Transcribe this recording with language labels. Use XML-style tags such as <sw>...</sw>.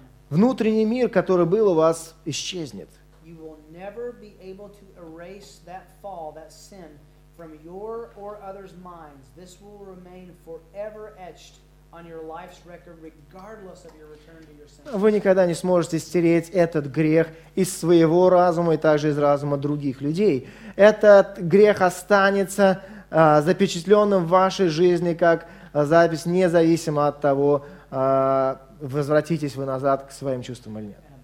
<ru>Внутренний мир, который был у вас, исчезнет.</ru> <en>You will never be able to erase that fall, that sin, from your or others' minds. This will remain forever etched on your life's record, regardless of your return to your sin.</en> <ru>Вы никогда не сможете стереть этот грех из своего разума и также из разума других людей. Этот грех останется запечатленным в вашей жизни как запись, независимо от того, возвратитесь вы назад к своим чувствам или нет.</ru>